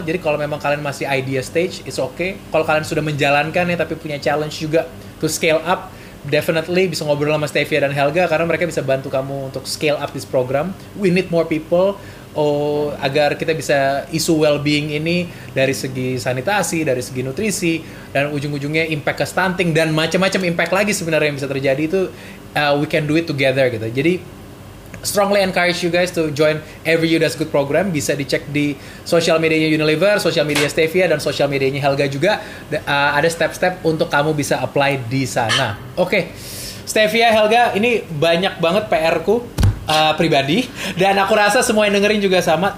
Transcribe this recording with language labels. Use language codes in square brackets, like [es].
[id] Jadi kalau memang kalian masih idea stage, [en] it's okay. [id] Kalau kalian sudah menjalankan ya, tapi punya challenge juga [en] to scale up, [id] definitely bisa ngobrol sama Stevia dan Helga, karena mereka bisa bantu kamu untuk [en] scale up this program. We need more people [id] agar kita bisa isu well-being ini dari segi sanitasi, dari segi nutrisi, dan ujung-ujungnya impact ke stunting dan macam-macam impact lagi sebenarnya yang bisa terjadi itu, [en] we can do it together [id] gitu. Jadi [en] strongly encourage you guys to join Every You Does Good program. [id] Bisa dicek di social medianya Unilever, social media Stevia, dan social medianya Helga juga. Ada step-step untuk kamu bisa apply di sana. Oke, okay. Stevia, Helga, ini banyak banget PR-ku pribadi. Dan aku rasa semua yang dengerin juga sama.